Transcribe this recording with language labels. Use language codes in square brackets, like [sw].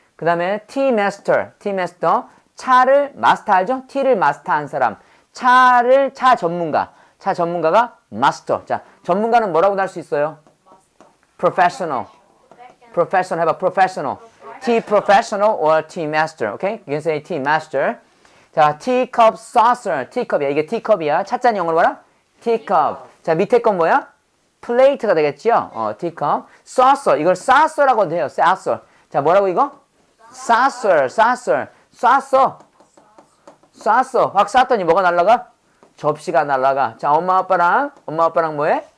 [ko] 그 다음에 tea master. 차를 마스터 알죠? tea를 마스터 한 사람. 차 전문가. 차 전문가가 master. 자, 전문가는 뭐라고 할 수 있어요? [en] professional. professional [ko] 해봐, [en] professional. Tea professional or tea master. Okay? You can say tea master. [ko] 자, teacup, saucer, teacup이야. 이게 teacup이야. 찻잔 영어로 봐라. teacup. 자, 밑에 건 뭐야? plate가 되겠지요? [en] teacup. saucer. [ko] 이걸 saucer라고도 해요. saucer. 자, 뭐라고 이거? saucer, saucer. saucer. saucer. 확 쐈더니 뭐가 날아가? 접시가 날아가. 자, 엄마, 아빠랑 뭐해?